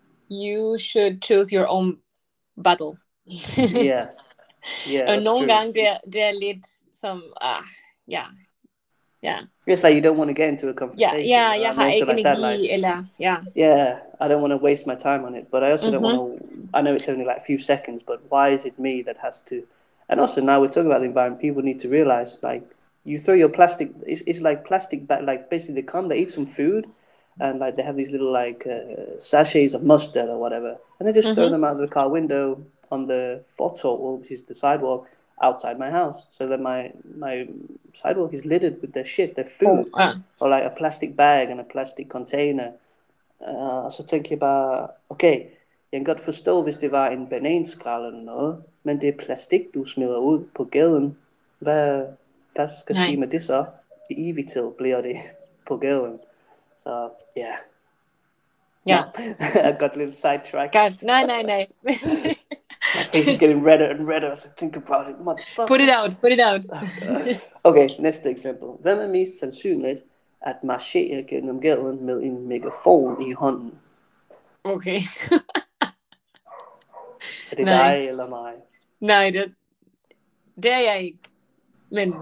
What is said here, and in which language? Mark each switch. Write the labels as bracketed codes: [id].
[en] You should choose your own battle. Yeah. [da] Og nogle gange, det er lidt som... [en] Yeah. It's like you don't want to get into a confrontation. Yeah, yeah, yeah, I have energy, like, eller, yeah. Yeah, I don't want to waste my time on it. But I also mm-hmm. don't want to... I know it's only like a few seconds, but why is it me that has to... And also now we're talking about the environment, people need to realize, like, you throw your plastic... It's like plastic, but like basically they come, they eat some food, and like they have these little like sachets of mustard or whatever, and they just mm-hmm. throw them out of the car window on the photo, which is the sidewalk, outside my house, so that my sidewalk is littered with their shit, their food, or like a plastic bag and a plastic container. [da] Så tænker jeg bare, okay, jeg kan godt forstå, hvis det var en bananskral eller noget, men det er plastik, du smider ud på gaden. Hvad skal ske med det så? I evigt bliver det på gaden. Så, ja. Ja. Jeg har godt lidt sidetrack. Nej. [en] My face is getting redder and redder as I think about it. Motherfucker. Put it out. [da] Okay, næste eksempel. Hvem er mest sandsynligt at marchere gennem gaden med en megafon i hånden? Okay. Er det dig eller mig? Nej, det er jeg ikke. Men...